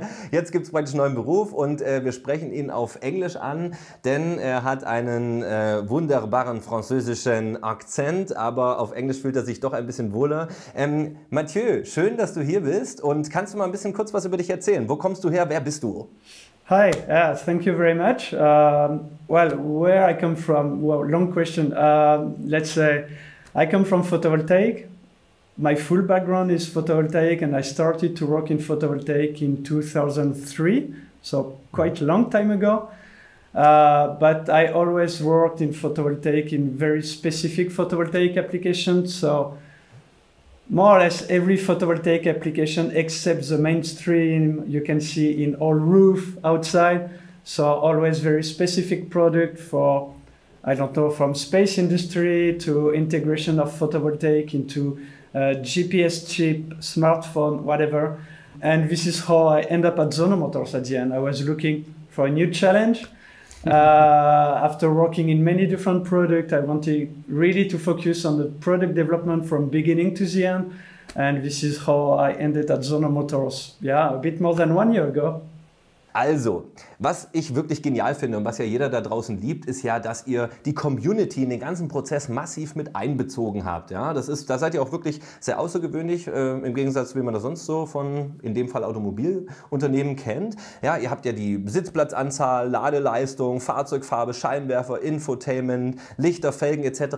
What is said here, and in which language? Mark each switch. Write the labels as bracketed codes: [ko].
[de] Jetzt gibt es praktisch einen neuen Beruf und wir sprechen ihn auf Englisch an, denn er hat einen wunderbaren französischen Akzent, aber auf Englisch fühlt er sich doch ein bisschen wohler. Mathieu, schön, dass du hier bist und kannst du mal ein bisschen kurz was über dich erzählen? Wo kommst du her? Wer bist du? [en] Hi, yes, thank you very much. Well, where I come from, well, long question. Let's say I come from photovoltaic. My full background is photovoltaic and I started to work in photovoltaic in 2003, so quite a long time ago. But I always worked in photovoltaic, in very specific photovoltaic applications. So more or less every photovoltaic application except the mainstream you can see in all roof outside. So always very specific product for, I don't know, from space industry to integration of photovoltaic into GPS chip, smartphone, whatever. And this is how I end up at Sono Motors at the end. I was looking for a new challenge. After working in many different products, I wanted really to focus on the product development from beginning to the end. And this is how I ended at Sono Motors, yeah, a bit more than 1 year ago. [de] Also, was ich wirklich genial finde und was ja jeder da draußen liebt, ist ja, dass ihr die Community in den ganzen Prozess massiv mit einbezogen habt. Ja, das ist, da seid ihr auch wirklich sehr außergewöhnlich, im Gegensatz zu wie man das sonst so von, in dem Fall, Automobilunternehmen kennt. Ja, ihr habt ja die Sitzplatzanzahl, Ladeleistung, Fahrzeugfarbe, Scheinwerfer, Infotainment, Lichter, Felgen etc.